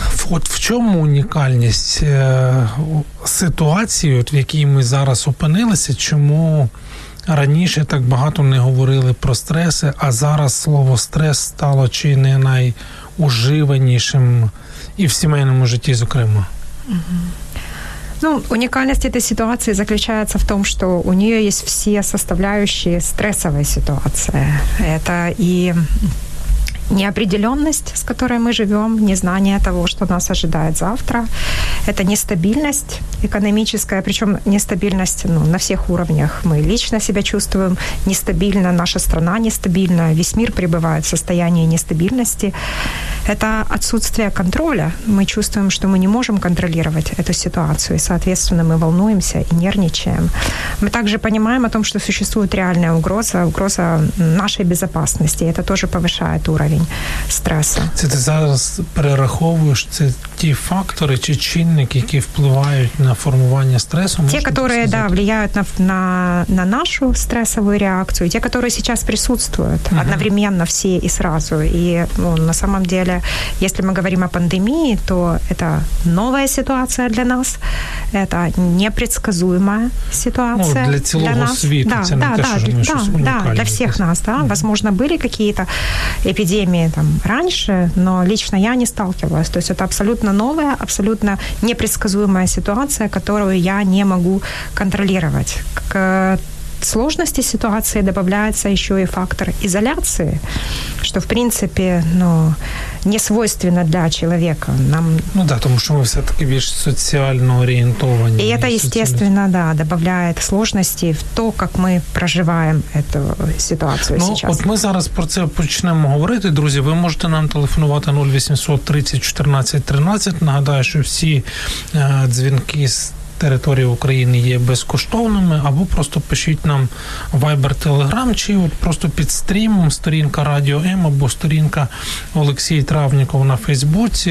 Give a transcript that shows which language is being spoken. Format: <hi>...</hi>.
<uk>От в чому унікальність ситуації, от в якій ми зараз опинилися, чому раніше так багато не говорили про стреси, а зараз слово «стрес» стало чи не найуживанішим і в сімейному житті, зокрема? Ну, унікальність цієї ситуації заключається в тому, що у неї є всі составляючі стресової ситуації.</uk> <ru>Це і неопределенность, с которой мы живем, незнание того, что нас ожидает завтра. Это нестабильность экономическая, причем нестабильность ну, на всех уровнях. Мы лично себя чувствуем нестабильно, наша страна нестабильна, весь мир пребывает в состоянии нестабильности. Это отсутствие контроля. Мы чувствуем, что мы не можем контролировать эту ситуацию, и, соответственно, мы волнуемся и нервничаем. Мы также понимаем о том, что существует реальная угроза, угроза нашей безопасности. Это тоже повышает уровень стресу.</ru> <uk>Це ти зараз перераховуєш, це ті фактори чи чинники, які впливають на формування стресу? Ті, які, да, впливають на нашу стресову реакцію, ті, які зараз присутствують одновременно всі і сразу. І ну,</uk> <ru>на самом деле,</ru> <uk>якщо ми говоримо о пандемії, то це нова ситуація для нас, це непредсказуема ситуація. Ну, для цілого для світу, да, це не да, те, да, що ми щось</uk> <ru>да,</ru> <uk>для всіх нас,</uk> <ru>да, возможно,</ru> <uk>були якісь епідемії,</uk> <ru>там раньше, но лично я не сталкивалась. То есть это абсолютно новая, абсолютно непредсказуемая ситуация, которую я не могу контролировать. К сложности ситуации добавляется еще и фактор изоляции, что, в принципе, ну, не свойственно для человека. Нам... Ну да, потому что мы все-таки больше социально ориентованы. И это, естественно, да, добавляет сложности в то, как мы проживаем эту ситуацию ну, сейчас.</ru> <uk>Ну, вот мы зараз про це почнемо говорити. Друзі, ви можете нам телефонувати 0800 30 14 13. Нагадаю, що всі дзвінки з території України є безкоштовними, або просто пишіть нам Viber, Telegram, чи от просто під стрімом сторінка Радіо М, або сторінка Олексія Травнікова на Фейсбуці.</uk>